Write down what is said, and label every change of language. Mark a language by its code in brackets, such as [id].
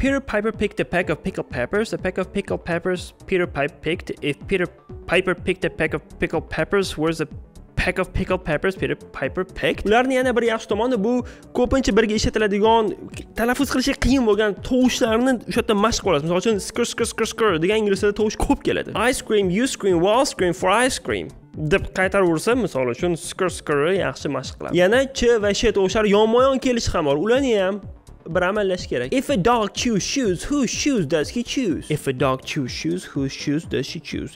[en] Peter Piper picked a pack of pickled peppers, a pack of pickled peppers Peter Piper picked. If Peter Piper picked a pack of pickled peppers, where's the pack of pickled peppers, Peter Piper picked. [uz] Ularni yana bir yaxshi tomoni bu ko'pincha birga ishlatiladigan talaffuz qilishga qiyin bo'lgan tovushlarni o'sha yerda mashq qilasiz. Masalan, skr skr skr skr degan inglizchada tovush ko'p keladi. Ice cream, you scream, wall scream for ice cream. Deb qaytaraversa, misol uchun skr skr yaxshi mashq qilamiz. Yana ch va sh tovushlari yonma-yon kelishi ham bor. Ularni ham bir amallash kerak. [en] If a dog chews shoes, whose shoes does he choose? If a dog chews shoes, whose shoes does she choose?